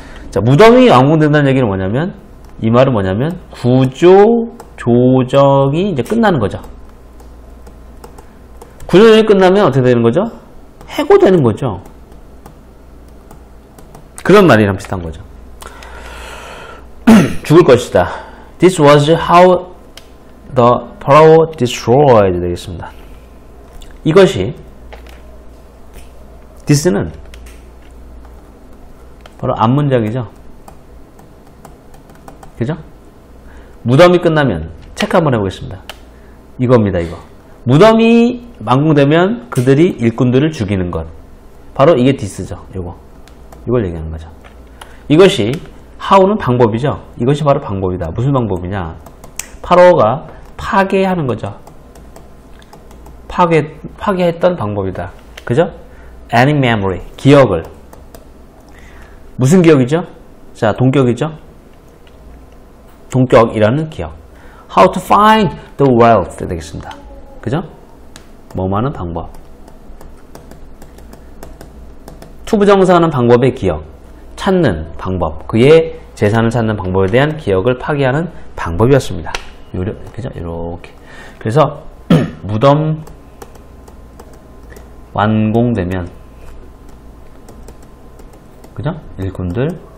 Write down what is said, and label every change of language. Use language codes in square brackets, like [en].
[ko] 자, 무덤이 완공된다는 얘기는 뭐냐면, 이 말은 뭐냐면 구조 조정이 이제 끝나는 거죠. 구조조정이 끝나면 어떻게 되는 거죠? 해고되는 거죠. 그런 말이랑 비슷한 거죠. 죽을 것이다. [en] This was how the Pharaoh destroyed [ko] 되겠습니다. 이것이, this는 바로 앞문장이죠. 그죠? 무덤이 끝나면, 체크 한번 해보겠습니다. 이겁니다, 이거. 무덤이 완공되면 그들이 일꾼들을 죽이는 것. 바로 이게 디스죠. 요거. 이걸 얘기하는 거죠. 이것이, 하우는 방법이죠. 이것이 바로 방법이다. 무슨 방법이냐. 파로가 파괴하는 거죠. 파괴했던 방법이다. 그죠? [en] Any memory. [ko] 기억을. 무슨 기억이죠? 자, 동격이죠. 동격이라는 기억. [en] How to find the wealth [ko] 되겠습니다. 그죠? 뭐하는 방법. 투부정사하는 방법의 기억. 찾는 방법. 그의 재산을 찾는 방법에 대한 기억을 파괴하는 방법이었습니다. 그죠? 이렇게. 그래서 무덤 완공되면, 그죠? 일꾼들